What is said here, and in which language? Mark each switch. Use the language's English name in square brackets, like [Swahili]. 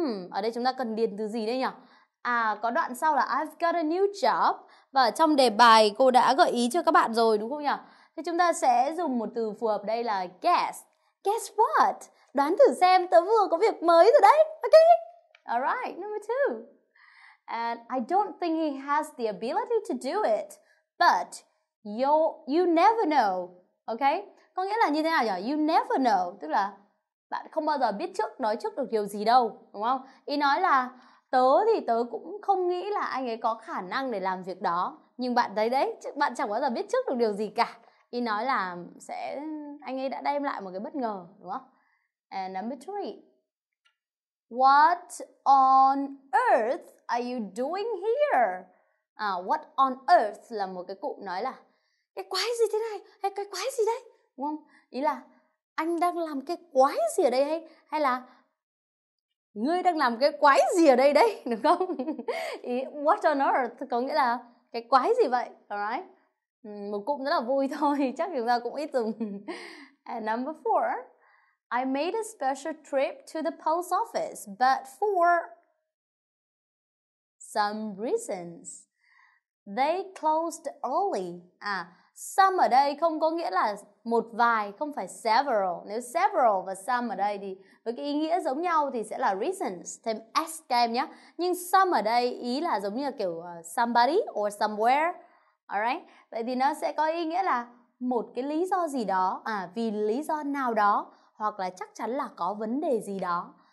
[Vietnamese] Ở đây chúng ta cần điền từ gì đây nhỉ? À, có đoạn sau là [English] I've got a new job, [Vietnamese] và ở trong đề bài cô đã gợi ý cho các bạn rồi, đúng không nhỉ? Thì chúng ta sẽ dùng một từ phù hợp đây là guess. [English] Guess what? [Vietnamese] Đoán thử xem, tớ vừa có việc mới rồi đấy. [English] Ok. All right, number 2. And I don't think he has the ability to do it, but you never know. Okay? [Vietnamese] Có nghĩa là như thế nào nhỉ? [English] You never know, [Vietnamese] tức là bạn không bao giờ biết trước, nói trước được điều gì đâu, đúng không? Ý nói là tớ thì tớ cũng không nghĩ là anh ấy có khả năng để làm việc đó, nhưng bạn thấy đấy, bạn chẳng bao giờ biết trước được điều gì cả. Ý nói là sẽ anh ấy đã đem lại một cái bất ngờ, đúng không? [English] And number 3. What on earth are you doing here? What on earth [Vietnamese] là một cái cụm nói là cái quái gì thế này, hay cái quái gì đấy, đúng không? Ý là anh đang làm cái quái gì ở đây, hay là ngươi đang làm cái quái gì ở đây đấy, đúng không? Ý [English] what on earth [Vietnamese] có nghĩa là cái quái gì vậy, alright? Một cụm rất là vui thôi, chắc chúng ta cũng ít dùng. [English] And number 4. I made a special trip to the post office, but for some reasons, they closed early. [Vietnamese] À, some ở đây không có nghĩa là một vài, không phải several. Nếu several và some ở đây thì với cái ý nghĩa giống nhau thì sẽ là reasons, thêm S kèm nhé. Nhưng some ở đây ý là giống như là kiểu [English] somebody or somewhere. [Vietnamese] Alright. Vậy thì nó sẽ có ý nghĩa là một cái lý do gì đó, à vì lý do nào đó, hoặc là chắc chắn là có vấn đề gì đó.